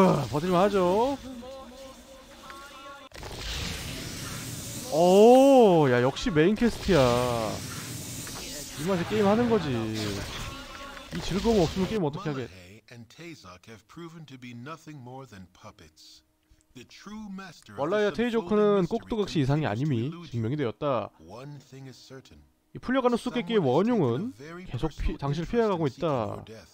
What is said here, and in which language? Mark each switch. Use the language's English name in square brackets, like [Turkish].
[Korean] 버틸만 하죠. 오, 야 역시 메인 퀘스트야. 이 맛에 게임 하는 거지. 이 즐거움 없으면 게임 어떻게 하게? [English] And Tazok have proven to be nothing more than puppets. The true master. [Korean] 원래 테이조크는 꼭두각시 이상이 아님이 증명이 되었다. 이 풀려가는 수수께끼의 원흉은 계속 당신을 피해가고 있다.